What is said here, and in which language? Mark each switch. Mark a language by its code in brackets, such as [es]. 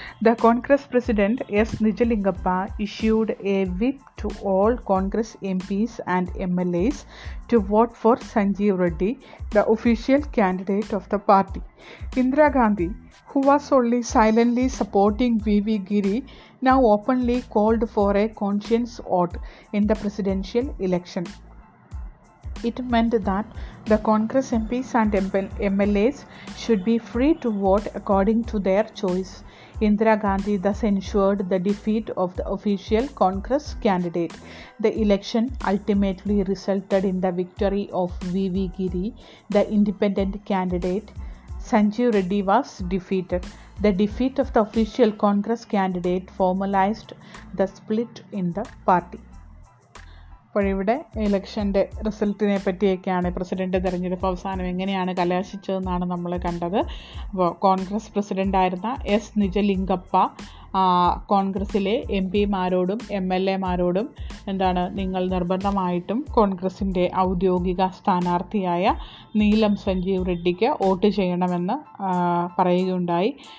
[en] The Congress president S Nijalingappa issued A whip to all Congress M piece and M L S to vote four Sanjeev Reddy, the official candidate of the party. Indira Gandhi, who was only silently supporting V V Giri, now openly called for A conscience vote in the presidential election. It meant that the Congress MPs and MLAs should be free to vote according to their choice. Indira Gandhi thus ensured the defeat of the official Congress candidate. The election ultimately resulted in the victory of V.V. Giri, the independent candidate. Sanjeev Reddy was defeated. The defeat of the official Congress candidate formalized the split in the party. [ml] അപ്പോൾ ഇവിടെ ഇലക്ഷൻ്റെ റിസൾട്ടിനെ പറ്റിയൊക്കെയാണ് president തെരഞ്ഞെടുപ്പ് അവസാനം എങ്ങനെയാണ് കലാശിച്ചതെന്നാണ് നമ്മൾ കണ്ടത്. അപ്പോൾ Congress പ്രസിഡൻ്റായിരുന്ന S Nijalingappa കോൺഗ്രസ്സിലെ M പിമാരോടും M L എമാരോടും എന്താണ്, നിങ്ങൾ നിർബന്ധമായിട്ടും കോൺഗ്രസിൻ്റെ ഔദ്യോഗിക സ്ഥാനാർത്ഥിയായ നീലം സഞ്ജീവ് റെഡ്ഡിക്ക് വോട്ട് ചെയ്യണമെന്ന് പറയുകയുണ്ടായി.